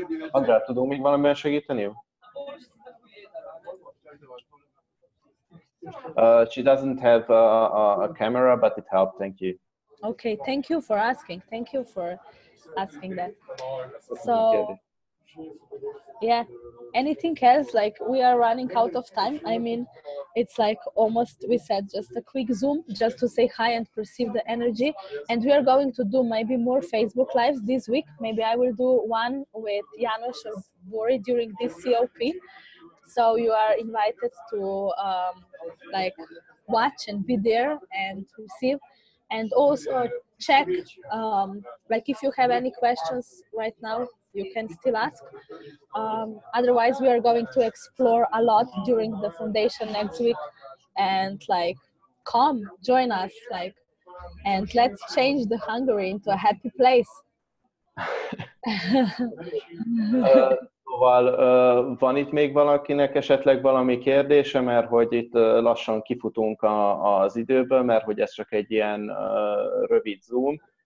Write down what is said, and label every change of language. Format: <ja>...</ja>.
<hu>Andrea, tudunk még valamiben segíteni?</hu> <en>She doesn't have a camera, but it helped, thank you. Okay, thank you for asking. Thank you for asking that. So, yeah, anything else? Like, we are running out of time. I mean, it's like almost, we said, just a quick Zoom, just to say hi and perceive the energy. And we are going to do maybe more Facebook Lives this week. Maybe I will do one with Janos or Bori during this COP. So you are invited to, like, watch and be there and receive. And also check, like if you have any questions right now, you can still ask. Otherwise, we are going to explore a lot during the foundation next week. And like, come, join us, like, and let's change the Hungary into a happy place.</en> <hu>Szóval van itt még valakinek esetleg valami kérdése, mert hogy itt lassan kifutunk az időből, mert hogy ez csak egy ilyen rövid Zoom.</hu>